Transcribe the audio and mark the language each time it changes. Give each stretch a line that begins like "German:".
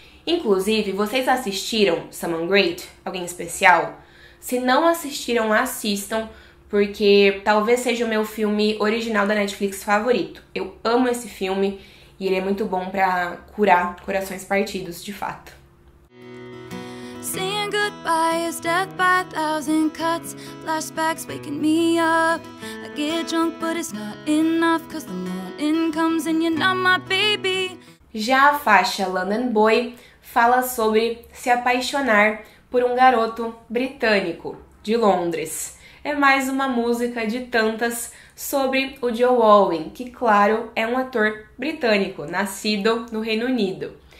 Portuguese: Inclusive, vocês assistiram Someone Great? Alguém Especial? Se não assistiram, assistam, porque talvez seja o meu filme original da Netflix favorito. Eu amo esse filme e ele é muito bom pra curar corações partidos, de fato.
English: Saying goodbye is death by a thousand cuts. Flashbacks waking me up. I get drunk, but it's not enough. Cause the morning comes and you're not my baby.
Portuguese: Já a faixa London Boy fala sobre se apaixonar por um garoto britânico de Londres. É mais uma música de tantas sobre o Joe Alwyn, que, claro, é um ator britânico, nascido no Reino Unido.